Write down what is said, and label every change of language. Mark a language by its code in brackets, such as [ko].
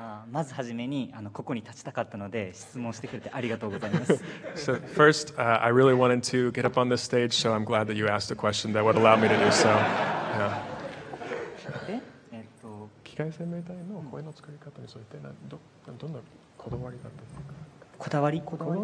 [ja] まずはじめにあのここに立ちたかったので質問してくれてありがとうございます。 [en] So first, I really wanted to get up on this stage, so I'm glad that you asked a question that would allow me to do so. Yeah. [ja] 機械生命体の声の作り方についてどんなこだわりだったのか。